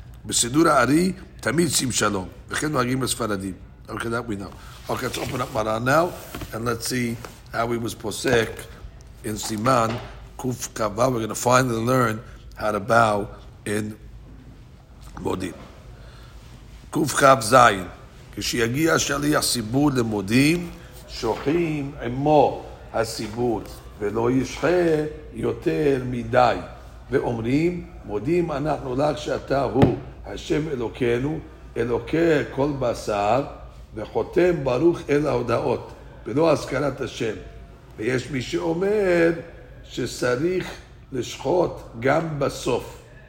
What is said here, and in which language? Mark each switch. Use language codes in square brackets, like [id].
[he] בסידור הארי תמיד שים שלום וכן נוהגים בספרדים. [en] Okay, that we know. Okay, let's open up Maran now and let's see how he was posek in Siman Kuf Kava. We're going to finally learn how to bow in Modim. [he] Kuf Kav Zayin. כשיגיע שליח סיבור למודים שוחים עמו הסיבות ולא ישחה יותר מדי ואומרים מודים אנחנו לך שאתה הוא השם אלוקנו אלוקי כל בשר וחותם ברוך אל ההודעות ולא הזכרת השם ויש מי שאומר שצריך לשחות גם בסוף